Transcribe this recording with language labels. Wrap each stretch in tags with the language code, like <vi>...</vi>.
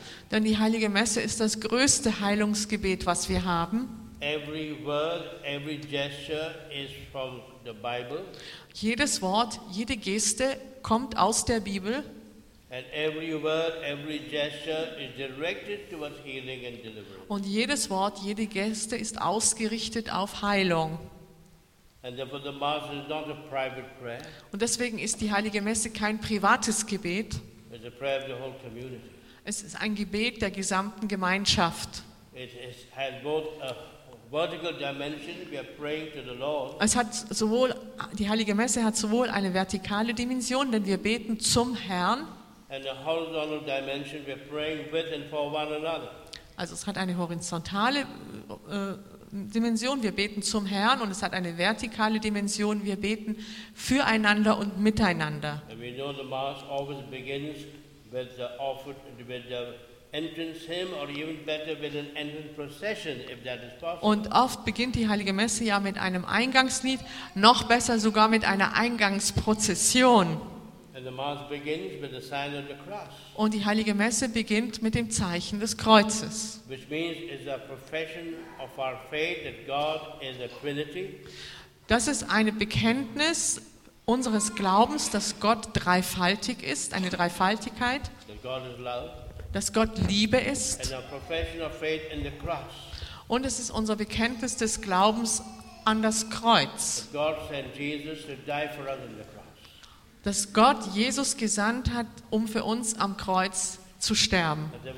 <de>Denn die Heilige Messe ist das größte Heilungsgebet, was wir haben.</de> <en>Every word, every gesture is from the Bible.</en> <de>Jedes Wort, jede Geste kommt aus der Bibel.</de> <en>And every word, every gesture is directed towards healing and deliverance.</en> <de>Und jedes Wort, jede Geste ist ausgerichtet auf Heilung.</de> <en>And therefore the Mass is not a private prayer.</en> <de>Und deswegen ist die Heilige Messe kein privates Gebet.</de> <en>It's a prayer of the whole community.</en> <de>Es ist ein Gebet der gesamten Gemeinschaft.</de> <en>It has both a vertical dimension. We are praying to the Lord.</en> <de>Es hat sowohl, die Heilige Messe hat sowohl eine vertikale Dimension, denn wir beten zum Herrn.</de> <en>And a horizontal dimension, we're praying with and for one another.</en> <de>Also es hat eine horizontale Dimension, wir beten zum Herrn, und es hat eine vertikale Dimension, wir beten füreinander und miteinander.</de> <en>And we know the Mass always begins with the offered, with the entrance hymn, or even better with an entrance procession, if that is possible.</en> <de>Und oft beginnt die Heilige Messe ja mit einem Eingangslied, noch besser sogar mit einer Eingangsprozession.</de> <en>And the Mass begins with the sign of the cross.</en> <de>Und die Heilige Messe beginnt mit dem Zeichen des Kreuzes.</de> <en>Which means it's a profession of our faith that God is a Trinity.</en> <de>Das ist eine Bekenntnis unseres Glaubens, dass Gott dreifaltig ist, eine Dreifaltigkeit.</de> <en>That God is love.</en> <de>Dass Gott Liebe ist.</de> <en>And a profession of faith in the cross.</en> <de>Und es ist unser Bekenntnis des Glaubens an das Kreuz.</de> <en>That God sent Jesus to die for us in the cross.</en> <de>Dass Gott Jesus gesandt hat, um für uns am Kreuz zu sterben.</de>